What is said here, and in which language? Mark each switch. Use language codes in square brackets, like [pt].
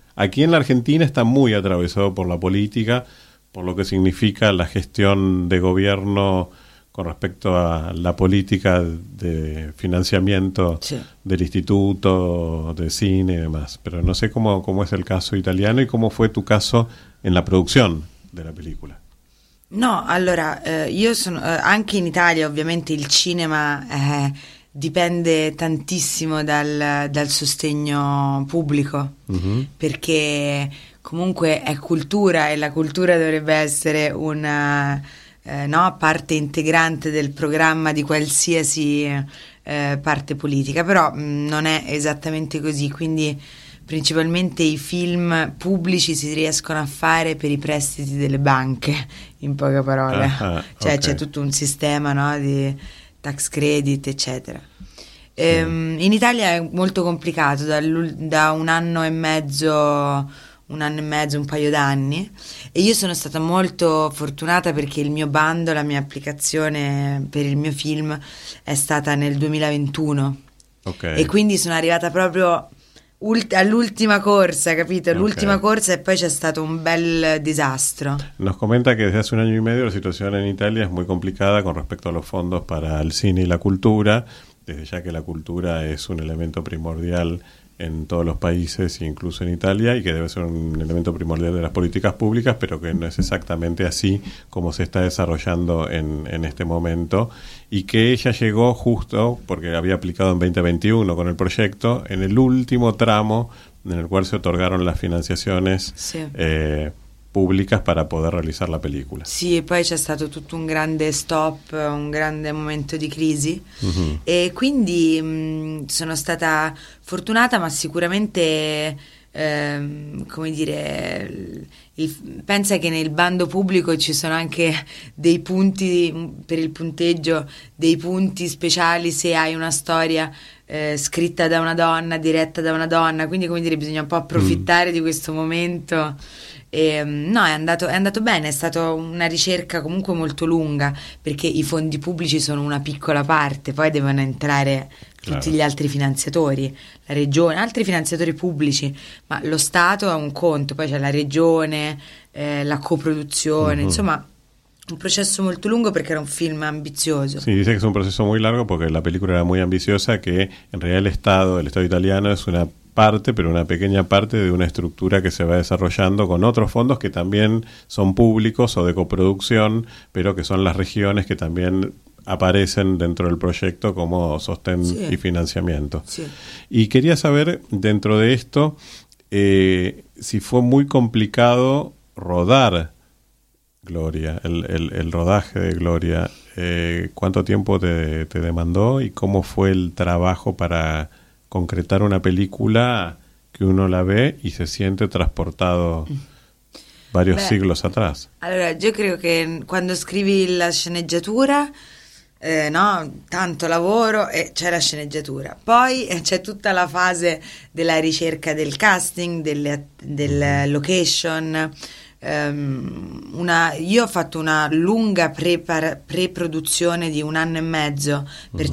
[es] Aquí en la Argentina está muy atravesado por la política, por lo que significa la gestión de gobierno con respecto a la política de financiamiento del Instituto de Cine y demás. Pero no sé cómo es el caso italiano y cómo fue tu caso en la producción de la película. [it] No, allora, io sono anche in Italia, ovviamente il cinema dipende tantissimo dal sostegno pubblico, mm-hmm. perché comunque è cultura e la cultura dovrebbe essere una no, parte integrante del programma di qualsiasi parte politica, però non è esattamente così, quindi principalmente i film pubblici si riescono a fare per i prestiti delle banche, in poche parole. Cioè okay. C'è tutto un sistema, no, di tax credit, eccetera. Sì. In Italia è molto complicato, da un anno e mezzo, un paio d'anni, e io sono stata molto fortunata perché il mio bando, la mia applicazione per il mio film è stata nel 2021. Okay. E quindi sono arrivata proprio all'ultima corsa, capito? L'ultima okay. corsa, e poi c'è stato un bel disastro. [es] Nos comenta che desde hace un año y medio la situación en Italia es muy complicada con respecto a los fondos para el cine y la cultura, desde ya que la cultura es un elemento primordial en todos los países, incluso en Italia, y que debe ser un elemento primordial de las políticas públicas, pero que no es exactamente así como se está desarrollando en este momento, y que ella llegó justo, porque había aplicado en 2021 con el proyecto, en el último tramo en el cual se otorgaron las financiaciones sí. Públicas para poder realizar la película. [it] Sí, y poi c'è stato tutto un grande stop, un grande momento di crisi, uh-huh. e quindi sono stata fortunata, ma sicuramente, come dire, pensa che nel bando pubblico ci sono anche dei punti per il punteggio, dei punti speciali se hai una storia scritta da una donna, diretta da una donna, quindi come dire bisogna un po' approfittare uh-huh. di questo momento. E, no, è andato bene, è stata una ricerca comunque molto lunga, perché i fondi pubblici sono una piccola parte, poi devono entrare tutti claro. Gli altri finanziatori, la regione, altri finanziatori pubblici, ma lo Stato ha un conto, poi c'è la regione, la coproduzione, uh-huh. insomma un processo molto lungo perché era un film ambizioso. Sì, dice che è un processo molto lungo perché [es] la película era [it] molto ambiziosa, che in realtà lo Stato italiano è una parte, [es] pero una pequeña parte de una estructura que se va desarrollando con otros fondos que también son públicos o de coproducción, pero que son las regiones que también aparecen dentro del proyecto como sostén sí. y financiamiento. Sí. Y quería saber, dentro de esto, si fue muy complicado rodar Gloria, el rodaje de Gloria. ¿Cuánto tiempo te demandó y cómo fue el trabajo para concretar una película que uno la ve y se siente transportado varios siglos atrás? [it] Allora, [es] yo creo que cuando [it] scrivi la sceneggiatura, no, tanto lavoro e c'è la sceneggiatura. Poi c'è tutta la fase della ricerca del casting, del location. Io ho fatto una lunga pre-produzione di un anno e mezzo per uh-huh.